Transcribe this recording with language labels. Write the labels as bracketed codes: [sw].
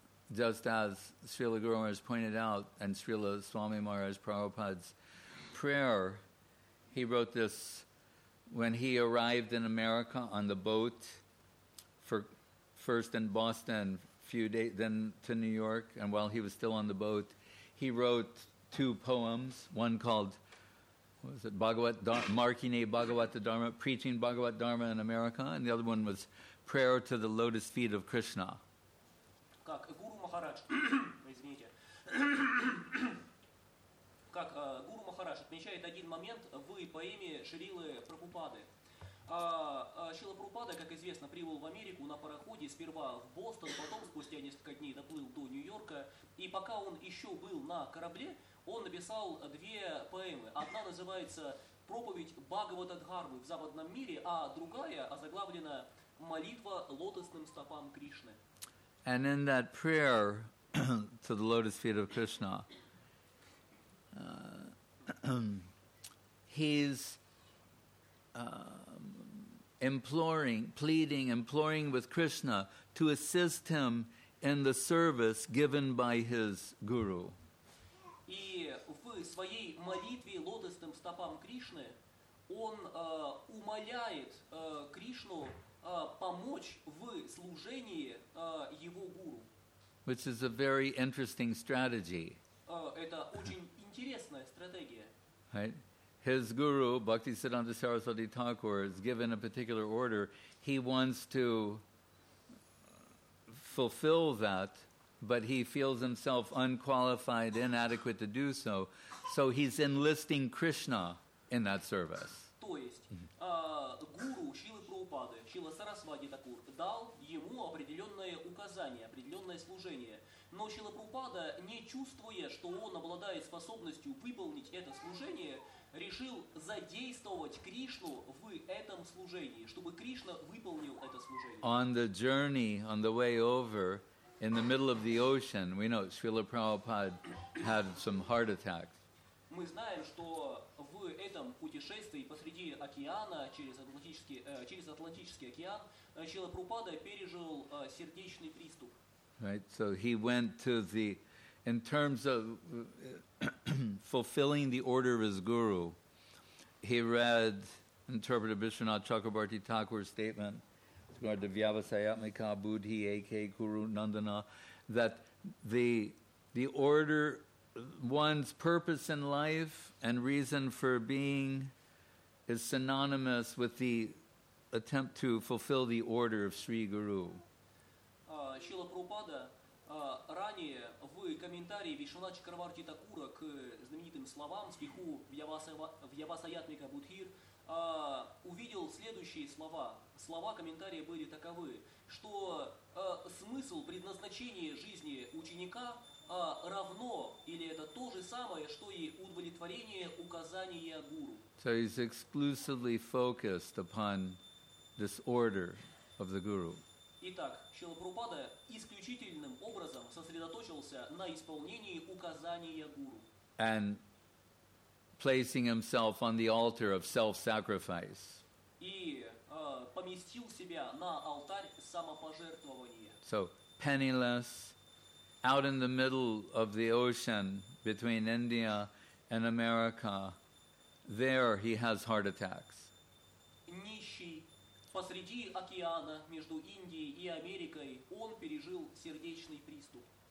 [en] Just as Srila Guru Maharaj pointed out, and Srila Swami Maharaj Prabhupada's prayer, he wrote this when he arrived in America on the boat for first in Boston, few days, then to New York, and while he was still on the boat, he wrote two poems, one called, what was it, Markine Bhagavata Dharma, Preaching Bhagavata Dharma in America, and the other one was Prayer to the Lotus Feet of Krishna. [ru] Как Гуру Махарадж, извините, как Гуру Махарадж отмечает один момент в поэме Шрилы Прабхупады. Шрила Прабхупада, как известно, прибыл в Америку на пароходе сперва в Бостон, потом спустя несколько дней доплыл до Нью-Йорка. И пока он еще был на корабле, он написал две поэмы. Одна называется «Проповедь Бхагавата Дхармы в западном мире», а другая озаглавлена «Молитва лотосным стопам Кришны». [en] And in that prayer to the lotus feet of Krishna, imploring with Krishna to assist him in the service given by his guru. [ru] И в своей молитве лотосным стопам Кришны он умоляет Кришну помочь в служении его гуру. [en] Which is a very interesting strategy. [ru] Это очень интересная стратегия. [en] Right? His guru, Bhakti Siddhanta Saraswati Thakur, is given a particular order. He wants to fulfill that, but he feels himself unqualified, inadequate to do so. So he's enlisting Krishna in that service. [ru] То есть, гуру Шрилы Прабхупады, Шрила Сарасвати Такур, дал ему определенное указание, определенное служение. Но Шрила Прабхупада, не чувствуя, что он обладает способностью выполнить это служение, решил задействовать Кришну в этом служении, чтобы Кришна выполнил это служение. [en] On the journey, on the way over, in the middle of the ocean, we know Srila Prabhupada had some heart attacks. [ru] Мы знаем, что в этом путешествии посреди океана, через Атлантический океан, Шрила Прабхупада пережил сердечный приступ. [en] Right, so he went to the, in terms of fulfilling the order of his guru, he read, interpreted Vishwanath Chakrabarti Thakur's statement, regarding the Vyavasayatmika Buddhi A.K. Guru Nandana, that the order, one's purpose in life and reason for being is synonymous with the attempt to fulfill the order of Sri Guru. [ru] Шрила Прабхупада ранее в комментарии Вишванатха Чакраварти Такура к знаменитым словам, стиху Вьявасаятмика Будхир, увидел следующие слова. Слова комментария были таковы, что смысл предназначения жизни ученика равно, или это то же самое, что и удовлетворение указания гуру. [en] So he's exclusively focused upon this order of the guru. [ru] Итак, Шрила Прабхупада исключительным образом сосредоточился на исполнении указания гуру. [en] And placing himself on the altar of self-sacrifice. [ru] И поместил себя на алтарь самопожертвования. [en] So, penniless, out in the middle of the ocean between India and America, there he has heart attacks. [ru] Нищий, посреди океана между Индией и Америкой, он пережил сердечный приступ.